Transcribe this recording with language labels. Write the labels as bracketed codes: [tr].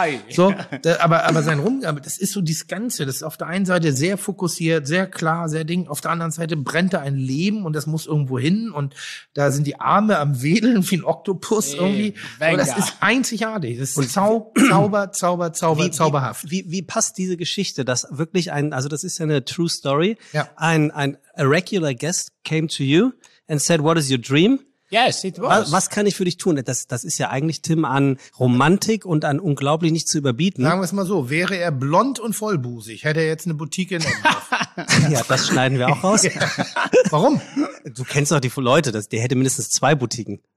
[de] So, aber sein Rumgehampel, das ist so dieses Ganze. Das ist auf der einen Seite sehr fokussiert, sehr klar, sehr ding. Auf der anderen Seite brennt da ein Leben und das muss irgendwo hin. Und da sind die Arme am Wedeln wie ein Oktopus irgendwie. Und das ist einzigartig. Das ist zauberhaft. Wie passt diese Geschichte, dass wirklich das ist ja eine true story. Ja. [en] Ein regular guest came to you and said, what is your dream? Yes, it was. [de] Was kann ich für dich tun? Das ist ja eigentlich, Tim, an Romantik und an unglaublich nicht zu überbieten. Sagen wir es mal so, wäre er blond und vollbusig, hätte er jetzt eine Boutique in Ja, das schneiden wir auch raus. Ja. Warum? Du kennst doch die Leute, der hätte mindestens 2 Boutiquen.